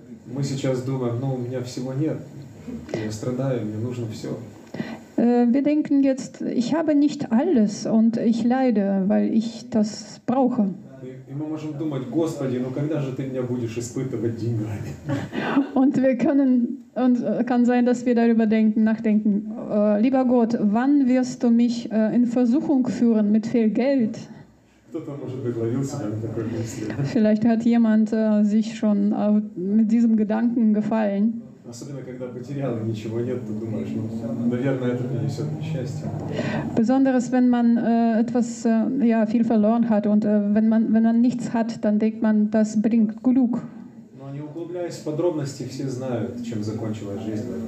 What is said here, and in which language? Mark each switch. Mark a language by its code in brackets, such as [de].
[ru] Мы сейчас думаем, ну, у меня всего нет. Я страдаю, мне нужно все. [de] Wir denken jetzt, ich habe nicht alles und ich leide, weil ich das brauche. [ru] И мы можем думать, Господи, ну когда же ты меня будешь испытывать деньгами? [de] Und wir können, und kann sein, dass wir darüber denken, nachdenken. Lieber Gott, wann wirst du mich in Versuchung führen mit viel Geld? [ru] Кто-то, может быть, ловил себя на такой мысли. [de] Vielleicht hat jemand sich schon mit diesem Gedanken gefallen. [ru] Особенно, когда потерял и ничего нет, ты думаешь, ну, наверное, это принесет мне счастье. [de] Besonders, wenn man etwas, ja, viel verloren hat und wenn man nichts hat, dann denkt man, das bringt Glück. [ru] Но не углубляясь в подробности, все знают, чем закончилась жизнь.